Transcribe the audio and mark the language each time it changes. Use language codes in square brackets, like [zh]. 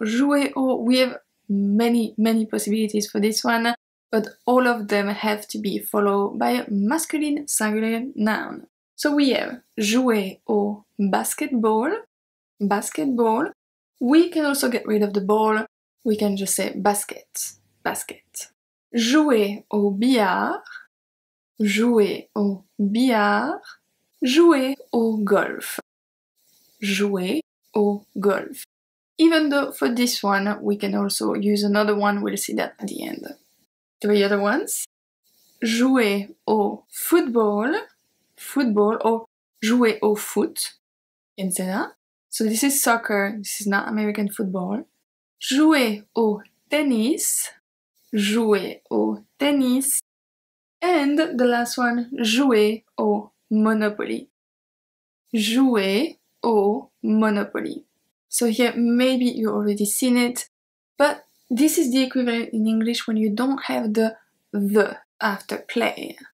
[fr] Jouer au, [en] we have many, many possibilities for this one, but all of them have to be followed by a masculine singular noun. So we have [fr] jouer au basketball, [en] basketball. We can also get rid of the ball. We can just say basket, basket. [fr] Jouer au billard, jouer au billard, jouer au golf, jouer au golf. [en] Even though for this one, we can also use another one. We'll see that at the end. Three other ones. [fr] Jouer au football, [en] football, or [fr] jouer au foot. [en] You can say that. So this is soccer. This is not American football. [fr] Jouer au tennis, jouer au tennis. [en] And the last one, [fr] jouer au Monopoly. Jouer au Monopoly. [en] So here, maybe you already seen it, but this is the equivalent in English when you don't have the after play.